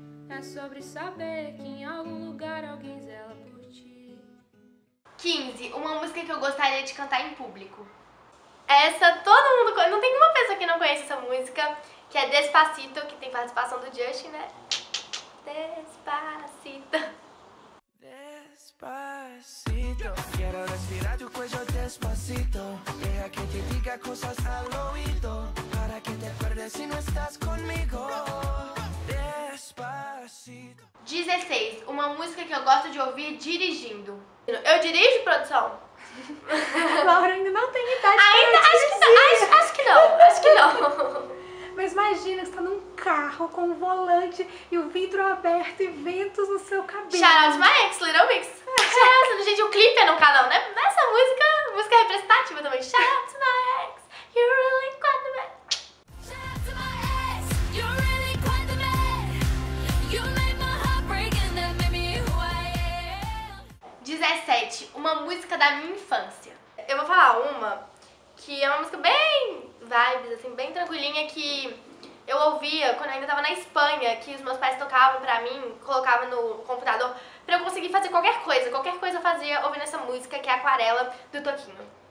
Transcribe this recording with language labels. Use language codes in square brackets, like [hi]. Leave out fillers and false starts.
[pt] É sobre saber que em algum lugar alguém zela por ti. 15. Uma música que eu gostaria de cantar em público. Essa todo mundo conhece. Não tem uma pessoa que não conhece essa música, que é Despacito, que tem participação do Justin, né? [es] Despacito. Despacito, quiero respirar tu cuello despacito. Deja que te diga cosas al oído para que te acuerdes si no estás conmigo. Despacito. 16. [pt] Uma música que eu gosto de ouvir dirigindo. Eu dirijo, produção? Laura ainda não tem idade. Ainda acho que não. Mas imagina, você tá num carro com um volante e o vidro aberto e ventos no seu cabelo. [en] Shout out my ex, Little Mix. [pt] Gente, o clipe é no canal, né? Nessa música, música representativa também. [en] Shout out my ex, you're really quite the man. Shout out my ex, you're really quite the man. You made my heart break and that made me who I am. [pt] 17. Uma música da minha infância. Eu vou falar uma que é uma música bem vibes, assim, bem tranquilinha, que eu ouvia quando eu ainda tava na Espanha, que os meus pais tocavam pra mim, colocavam no computador, pra eu conseguir fazer qualquer coisa eu fazia ouvindo essa música, que é Aquarela, do Toquinho.